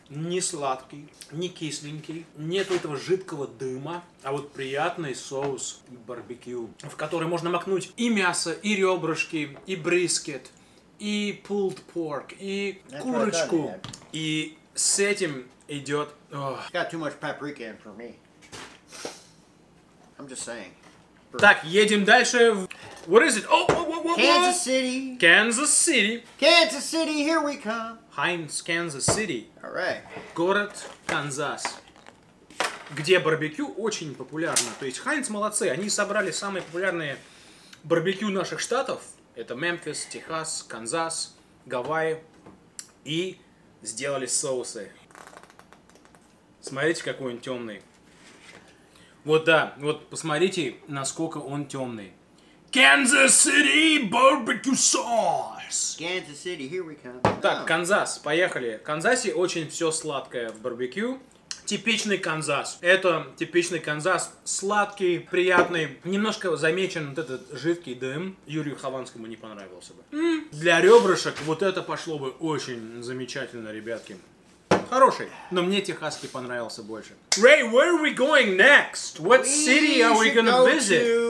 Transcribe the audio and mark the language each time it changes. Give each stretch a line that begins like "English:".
Russian: Не сладкий, не кисленький, нет этого жидкого дыма, а вот приятный соус барбекю, в который можно макнуть и мясо, и ребрышки, и брискет, и pulled pork, и курочку. И с этим идет...
English: It's got too much paprika in for me. I'm just saying.
Russian: Так, едем дальше.
English: What is it? Oh, whoa, whoa, whoa, whoa. Kansas City. Kansas City. Kansas City, here we come.
Russian: Хайнс, Kansas City.
English: All right.
Russian: Город Канзас. Где барбекю очень популярно. То есть Хайнс молодцы. Они собрали самые популярные барбекю наших штатов. Это Мемфис, Техас, Канзас, Гавайи. И сделали соусы. Смотрите, какой он темный. Вот да, вот посмотрите, насколько он темный.
English: Kansas City Barbecue Sauce! Kansas City, here we come.
Russian: Так, Канзас, поехали. В Канзасе очень все сладкое в барбекю. Типичный Канзас. Это типичный Канзас, сладкий, приятный. Немножко замечен вот этот жидкий дым. Юрию Хованскому не понравился бы. Для ребрышек вот это пошло бы очень замечательно, ребятки. Хороший, но мне техасский понравился больше.
English: Рэй, where are we going next? What city are we gonna visit?